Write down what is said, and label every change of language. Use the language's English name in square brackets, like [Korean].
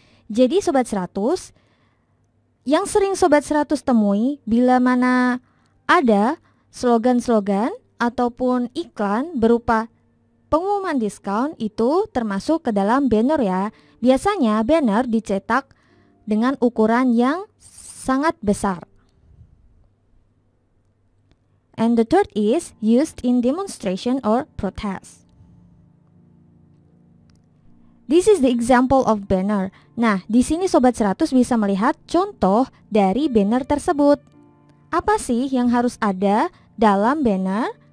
[Indonesian] Jadi Sobat 100, yang sering Sobat 100 temui bila mana ada slogan-slogan ataupun iklan berupa pengumuman diskon itu termasuk ke dalam banner ya. Biasanya banner dicetak dengan ukuran yang sangat besar. [English] And the third is used in demonstration or protest. This is the example of banner. [Indonesian] Nah, di sini Sobat 100 bisa melihat contoh dari banner tersebut. Apa sih yang harus ada dalam banner?